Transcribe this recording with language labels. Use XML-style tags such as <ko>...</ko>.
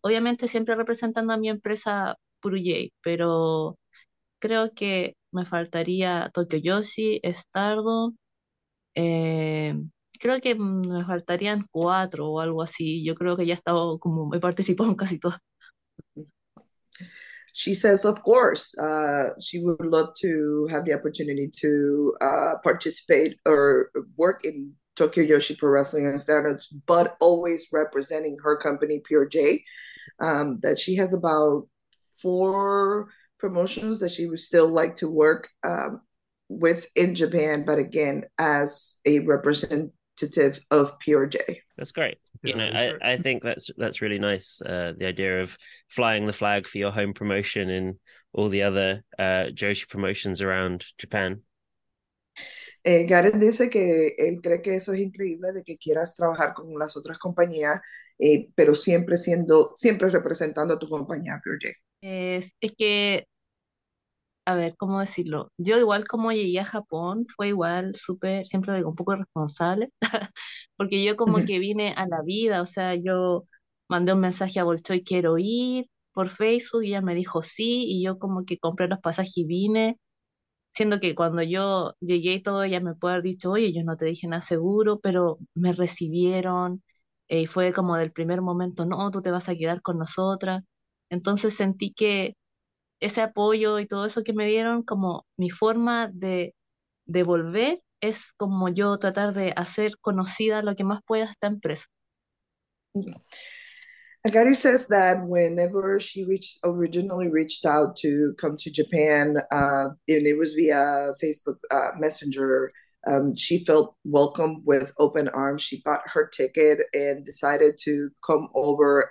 <es>Obviamente siempre representando a mi empresa Purujay, pero creo que me faltaría Tokyo Yoshi, Stardom, creo que me faltarían cuatro o algo así. Yo creo que ya he estado como, he participado en casi todas.</es> <en>She says, of course, she would love to have the opportunity to participate or work in Tokyo Yoshi Pro Wrestling and Stardom, but always representing her company, Pure J, that she has about four promotions that she would still like to work with in Japan, but again, as a representative of PRJ. That's great. Yeah, you know, I think that's really nice, the idea of flying the flag for your home promotion and all the other Joshi promotions around Japan.</en> <es>Gareth dice que él cree que eso es increíble, de que quieras trabajar con las otras compañías, pero siempre representando a tu compañía, PRJ. Es que, a ver, ¿cómo decirlo? Yo igual como llegué a Japón, fue igual súper, siempre digo, un poco irresponsable, porque yo como que vine a la vida, o sea, yo mandé un mensaje a Bolshoi, quiero ir, por Facebook, y ella me dijo sí, y yo como que compré los pasajes y vine, siendo que cuando yo llegué y todo, ella me puede haber dicho, oye, yo no te dije nada seguro, pero me recibieron, y fue como del primer momento, no, tú te vas a quedar con nosotras. Entonces sentí que ese apoyo y todo eso que me dieron, como mi forma de volver, es como yo tratar de hacer conocida lo que más pueda esta empresa.</es> <en>AKARI says that whenever she originally reached out to come to Japan, and it was via Facebook Messenger, she felt welcome with open arms. She bought her ticket and decided to come over.</en>